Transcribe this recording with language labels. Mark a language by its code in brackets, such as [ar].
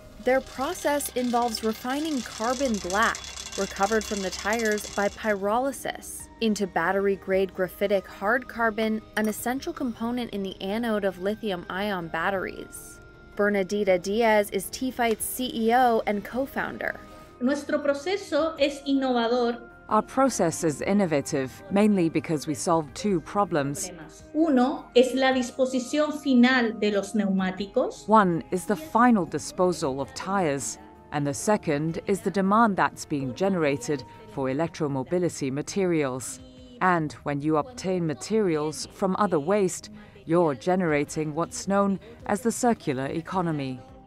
[en] Their process involves refining carbon black, recovered from the tires by pyrolysis, into battery-grade graphitic hard carbon, an essential component in the anode of lithium-ion batteries. Bernadita Diaz is T-Fight's CEO and co-founder. [es] Nuestro proceso es innovador. [en] Our process is innovative, mainly because we solved two problems. [es] Uno es la disposición final de los neumáticos. [en] One is the final disposal of tires, and the second is the demand that's being generated for electromobility materials. And when you obtain materials from other waste, you're generating what's known as the circular economy.